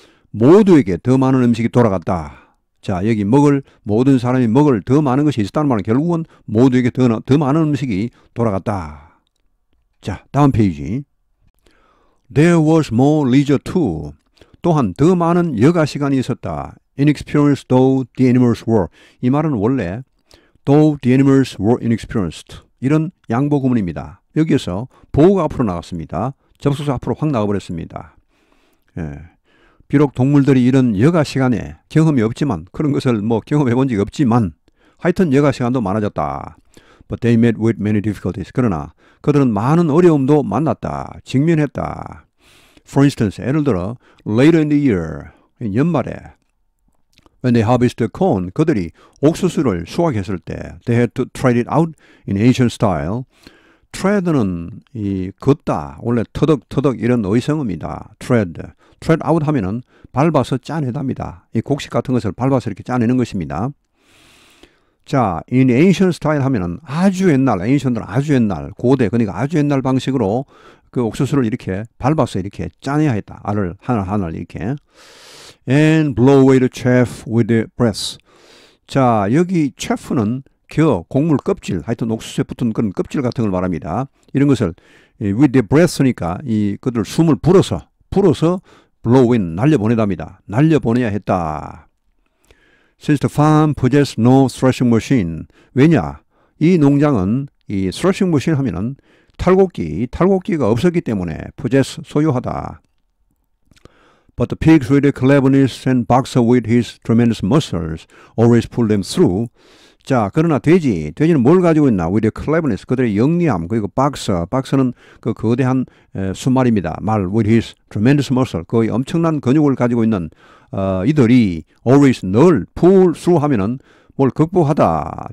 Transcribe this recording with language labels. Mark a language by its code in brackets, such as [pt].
[ko] 모두에게 더 많은 음식이 돌아갔다. 자, 여기 먹을, 모든 사람이 먹을 더 많은 것이 있었다는 말은 결국은 모두에게 더 많은 음식이 돌아갔다. [en] 자, [ko] 다음 페이지. [en] There was more leisure too. [ko] 또한 더 많은 여가 시간이 있었다. [en] Inexperienced though the animals were. [ko] 이 말은 원래 [en] though the animals were inexperienced. [ko] 이런 양보 구문입니다. 여기에서 보호가 앞으로 나갔습니다. 접속사 앞으로 확 나가버렸습니다. 예. 비록 동물들이 이런 여가 시간에 경험이 없지만, 그런 것을 뭐 경험해 본 적이 없지만, 하여튼 여가 시간도 많아졌다. [en] But they met with many difficulties. [ko] 그러나 그들은 많은 어려움도 만났다. 직면했다. [en] For instance, [ko] 예를 들어, [en] later in the year, [ko] 연말에, [en] When they harvested corn, [ko] 그들이 옥수수를 수확했을 때, [en] they had to tread it out in Asian style. [ko] Tread는 이 걷다, 원래 터덕터덕 이런 의성어입니다. Tread. Tread out 하면은 밟아서 짜내답니다. 이 곡식 같은 것을 밟아서 이렇게 짜내는 것입니다. 자, [en] in Asian style [ko] 하면은 아주 옛날, ancient은 아주 옛날, 고대, 그러니까 아주 옛날 방식으로 그 옥수수를 이렇게 밟아서 이렇게 짜내야 했다. 알을 하나하나 이렇게. [en] And blow away the chaff with the breath. [ko] 자, 여기 chaff는 겨, 곡물 껍질, 하여튼 옥수수에 붙은 그런 껍질 같은 걸 말합니다. 이런 것을 with the breath니까 이 그들 숨을 불어서 blow away, 날려보내답니다. 날려보내야 했다. [en] Since the farm possessed no threshing machine. 왜냐? [ko] 이 농장은 이 threshing machine 하면은 탈곡기가 없었기 때문에 possess 소유하다. [en] But the pigs with their cleverness and boxer with his tremendous muscles always pulled them through. [ko] 자, 그러나 돼지는 뭘 가지고 있나? [en] With their cleverness, [ko] 그들의 영리함, 그리고 박서는 그 거대한 수말입니다. 말, [en] with his tremendous muscle, [ko] 그의 엄청난 근육을 가지고 있는 이들이 always 늘 pull through 하면은 뭘 극복하다.